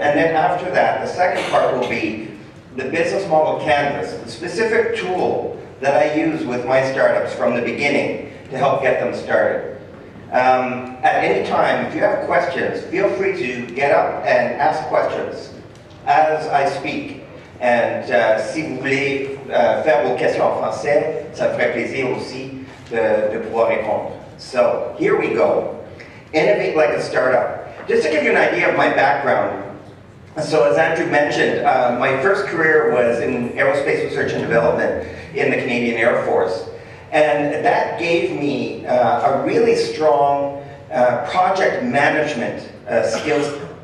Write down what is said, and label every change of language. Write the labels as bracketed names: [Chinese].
[English] And then after that, the second part will be the business model canvas, the specific tool that I use with my startups from the beginning to help get them started. At any time, if you have questions, feel free to get up and ask questions as I speak. [French] And si vous voulez faire vos questions en français, ça ferait plaisir aussi de pouvoir répondre. [English] So, here we go. Innovate like a startup. Just to give you an idea of my background, so as Andrew mentioned, my first career was in aerospace research and development in the Canadian Air Force. And that gave me a really strong project management skills.